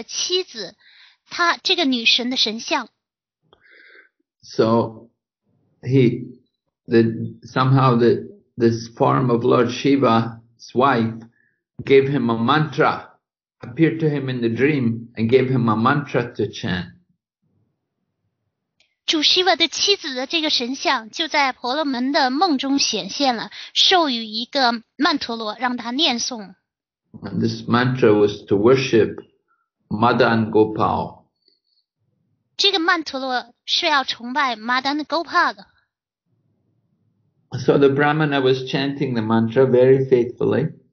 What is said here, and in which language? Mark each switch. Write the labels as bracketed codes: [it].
[zh] 这个婆罗门就在崇拜主Shiva的妻子，她这个女神的神像。 [en] So this form of Lord Shiva's wife gave him a mantra, appeared to him in the dream, and gave him a mantra to chant. [zh] 主Shiva的妻子的这个神像就在婆罗门的梦中显现了，授予一个曼陀罗让他念诵。 [en] And this mantra was to worship Madan Gopal. [zh] 这个曼陀罗是要崇拜Madan Gopal的。 [en] So the Brahmana was chanting the mantra very faithfully.